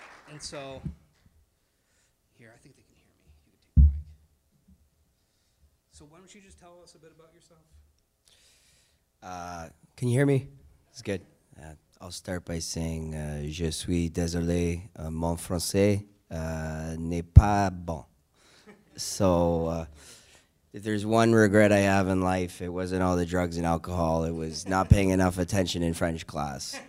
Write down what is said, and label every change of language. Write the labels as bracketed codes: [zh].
[en] And so, here, I think they can hear me. You can take the mic. So why don't you just tell us a bit about yourself? Can you hear me? It's good. I'll start by saying, [fr] je suis désolé, mon français n'est pas bon. [en] So, if there's one regret I have in life, it wasn't all the drugs and alcohol. It was not paying enough attention in French class.